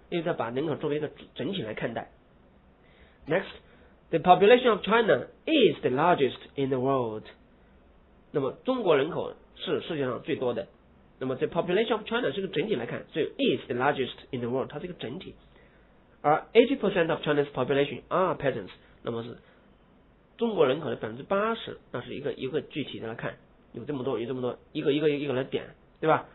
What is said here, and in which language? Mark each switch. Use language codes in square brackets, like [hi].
[zh] 因为它把人口作为一个整体来看待。 [en] Next, the population of China is the largest in the world. [zh] 那么中国人口是世界上最多的。那么 [en] the population of China [zh] 是个整体来看，所以 [en] is the largest in the world， [zh] 它是一个整体。而 [en] 80% of China's population are peasants， [zh] 那么是中国人口的 80%， 那是一个具体的来看，有这么多，一个来点，对吧？